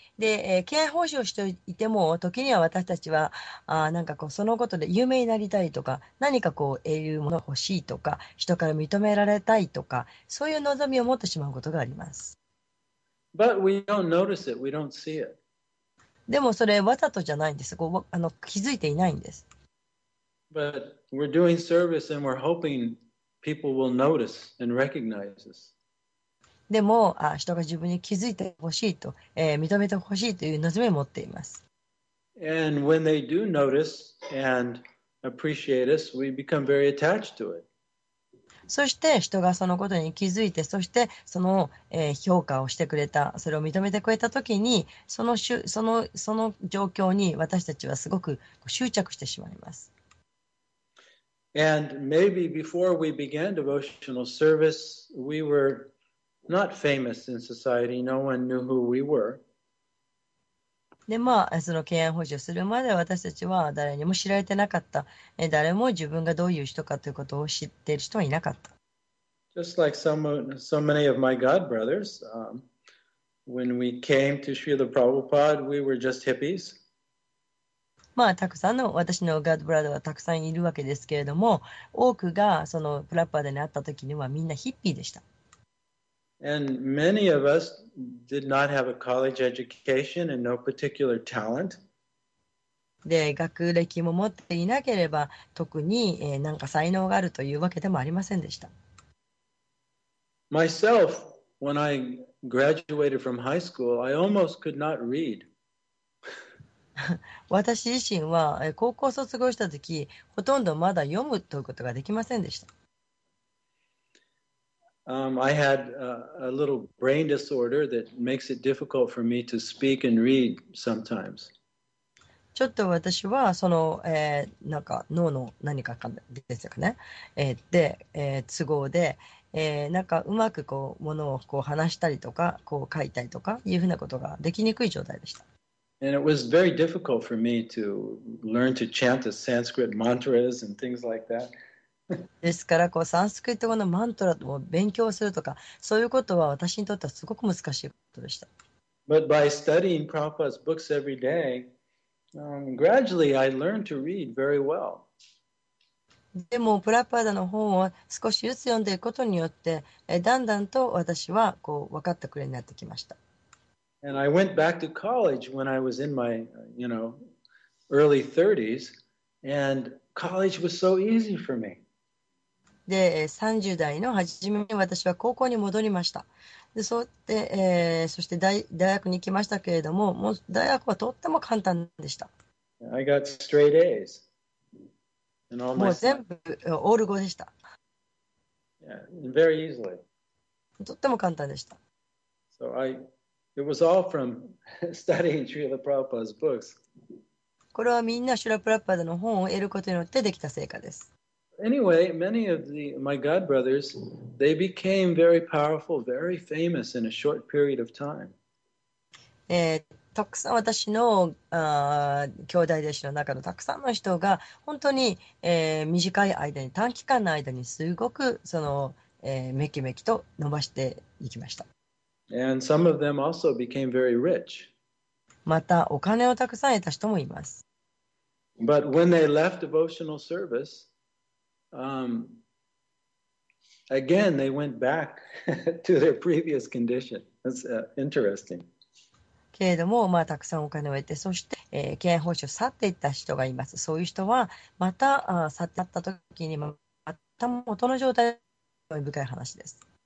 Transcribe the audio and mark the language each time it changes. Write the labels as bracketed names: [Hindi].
[Japanese] で、敬愛奉仕をしていても、時には私たちは、なんかこう、そのことで有名になりたいとか、何かこう、得るものが欲しいとか、人から認められたいとか、そういう望みを持ってしまうことがあります。 [English] But we don't notice it. We don't see it. [Japanese] でもそれ、わざとじゃないんです。こう、気づいていないんです。 [English] But we're doing service and we're hoping people will notice and recognize us. [Japanese] でも、人が自分に気づいてほしいと、認めてほしいという望みを持っています。 [English] And when they do notice and appreciate us, we become very attached to it. [Japanese] そして、人がそのことに気づいて、そして、その、評価をしてくれた、それを認めてくれたときに、その状況に私たちはすごく執着してしまいます。 [English] And maybe before we began devotional service, we wereNot famous in society. No one knew who we were. [Japanese] で、まあ、その敬愛奉仕をするまで私たちは誰にも知られてなかった。誰も自分がどういう人かということを知っている人はいなかった。 [English] Just like so many of my god brothers, when we came to Srila Prabhupada, we were just hippies. [Japanese] まあ、たくさんの私のガッドブラザーはたくさんいるわけですけれども、多くがそのプラッパーダに会った時にはみんなヒッピーでした。 [English] And many of us did not have a college education and no particular talent. [Japanese] で、学歴も持っていなければ、特に、なんか才能があるというわけでもありませんでした。 [English] Myself, when I graduated from high school, I almost could not read. [Japanese] 私自身は、高校卒業したとき、ほとんどまだ読むということができませんでした。 [English] I had a little brain disorder that makes it difficult for me to speak and read sometimes. [Japanese] ちょっと私はその、なんか脳の何かですかね、で、都合で、なんかうまくこうものをこう話したりとかこう書いたりとかいうふうなことができにくい状態でした。 [English] And it was very difficult for me to learn to chant the Sanskrit mantras and things like that. [Japanese] ですからこうサンスクリット語のマントラを勉強するとかそういうことは私にとってはすごく難しいことでした。 [English] But by studying Prabhupada's books every day, gradually I learned to read very well. [Japanese] でもプラパーダの本を少しずつ読んでいくことによってだんだんと私はこう分かってくれるようになってきました。 [English] And I went back to college when I was in my, you know, early 30s, and college was so easy for me. [Japanese] で30代の初めに私は高校に戻りました。でそうで、そして 大学に行きましたけれども、もう大学はとっても簡単でした。 [English] I got straight A's. And all my... [Japanese] もう全部オール5でした。 [English] Yeah, very easily. [Japanese] とっても簡単でした。 [English] So it was all from studying Srila Prabhupada's books. [Japanese] これはみんなシュラプラッパーダの本を得ることによってできた成果です。 [English] Anyway, many of my god brothers, they became very powerful, very famous in a short period of time. [Japanese] たくさん私の兄弟弟子の中のたくさんの人が本当に、短い間に短期間の間にすごくその、メキメキと伸ばしていきました。 [English] And some of them also became very rich. [Japanese] またお金をたくさん得た人もいます。 [English] But when they left devotional service,again, they went back to their previous condition. That's interesting. [Japanese] けれども、まあ、たくさんお金を得て、そして、敬愛奉仕を去っていった人がいます。そういう人は、また、去っていったときに、また元の状態が深い話です。